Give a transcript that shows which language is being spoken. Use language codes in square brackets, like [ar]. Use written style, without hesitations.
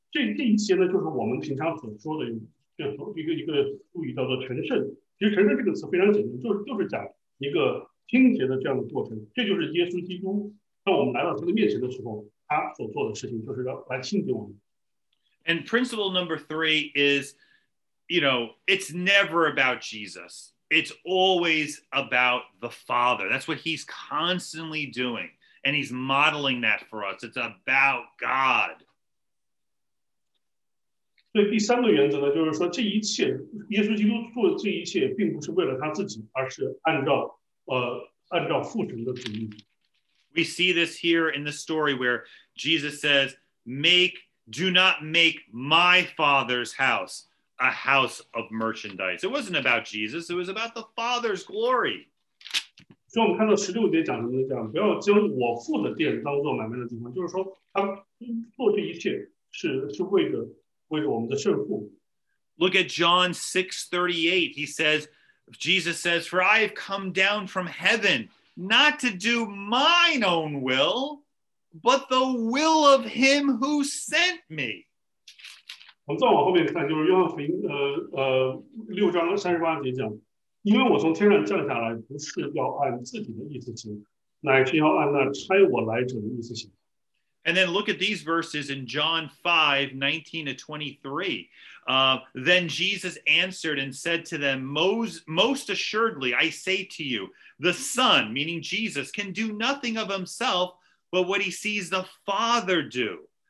[zh] 这一些呢，就是我们平常所说的一个术语叫做成圣。其实成圣这个词非常简单，就是讲一个清洁的这样的过程。这就是耶稣基督当我们来到他的面前的时候，他所做的事情就是要来清洁我们。 [en] And principle number three is, you know, it's never about Jesus. It's always about the Father. That's what he's constantly doing. And he's modeling that for us. It's about God. [zh] 对，第三个原则呢，就是说这一切，耶稣基督做这一切并不是为了他自己，而是按照父神的旨意。 [en] We see this here in the story where Jesus says, do not make my Father's house a house of merchandise. It wasn't about Jesus. It was about the Father's glory. So we see [zh] 16节讲什么呢？讲不要将我父的殿当做买卖的地方。就是说，他做这一切是为了我们的圣父。 [en] Look at John 6:38. Jesus says, "For I have come down from heaven not to do mine own will." But the will of him who sent me. [zh] 我们再往后面看，就是约翰福音六章38节讲，因为我从天上降下来，不是要按自己的意思行，乃是要按那差我来者的意思行。 [en] And then look at these verses in John 5:19-23. Then Jesus answered and said to them, most assuredly, I say to you, the Son, meaning Jesus, can do nothing of himself, but what he sees the Father do.